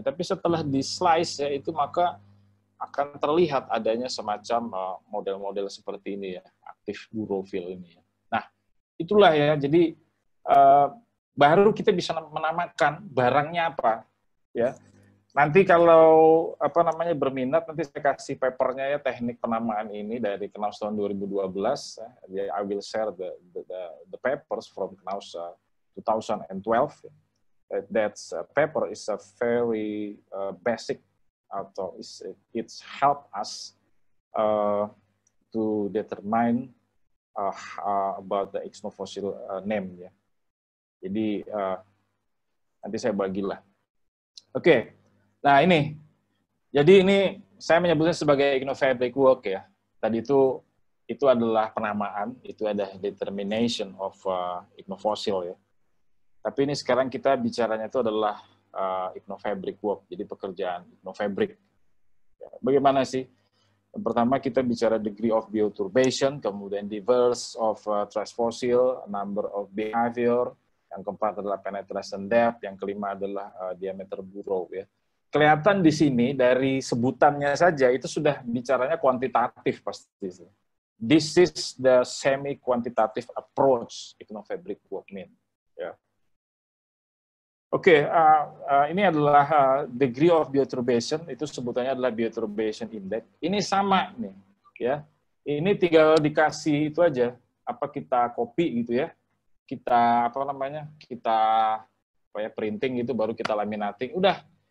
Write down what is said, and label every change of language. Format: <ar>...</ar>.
<id>Tapi setelah di-slice ya, itu maka akan terlihat adanya semacam model-model seperti ini ya, aktif burofil ini ya. Nah, itulah ya, jadi baru kita bisa menamakan barangnya apa ya. Nanti kalau apa namanya berminat, nanti saya kasih papernya ya, teknik penamaan ini dari Knaus tahun 2012.</id> <en>Ya, I will share the papers from Knaus 2012. That paper is a very basic, atau it's help us to determine about the ichnofossil name ya.</en> <id>Jadi nanti saya bagilah. Oke. Nah ini, jadi ini saya menyebutnya sebagai ichnofabric work ya. Tadi itu adalah penamaan, itu ada determination of ichnofossil ya. Tapi ini sekarang kita bicaranya itu adalah ichnofabric work, jadi pekerjaan ichnofabric. Bagaimana sih? Yang pertama kita bicara degree of bioturbation, kemudian diverse of trace fossil, number of behavior, yang keempat adalah penetration depth, yang kelima adalah diameter burrow ya. Kelihatan di sini dari sebutannya saja itu sudah bicaranya kuantitatif pasti.</id> <en>This is the semi-quantitative approach ichnofabric work mean. Yeah.</en> <id>Oke, ini adalah degree of bioturbation, itu sebutannya adalah bioturbation index. Ini sama nih, ya. Ini tinggal dikasih itu aja. Apa kita copy gitu ya? Kita apa namanya? Kita apa ya, printing gitu, baru kita laminating. Udah.</id>